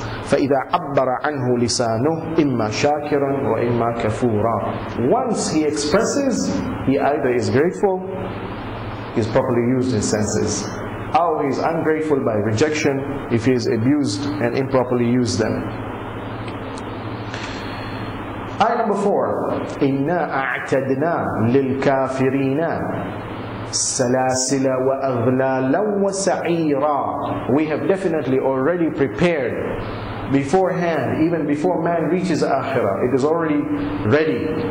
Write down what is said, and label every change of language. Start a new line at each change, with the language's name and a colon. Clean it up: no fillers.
Arabic: فَإِذَا عَبَّرَ عَنْهُ لِسَانُهُ إِمَّا شَاكِرًا وَإِمَّا كَفُورًا.
English: Once he expresses, he either is grateful, he's properly used his senses, or he's ungrateful by rejection if he is abused and improperly used them. Ayah number 4,
Arabic: إِنَّا أَعْتَدْنَا لِلْكَافِرِينَ سَلَاسِلَ وَأَغْلَالًا وَسَعِيرًا.
English: We have definitely already prepared beforehand, even before man reaches Akhirah, it is already ready.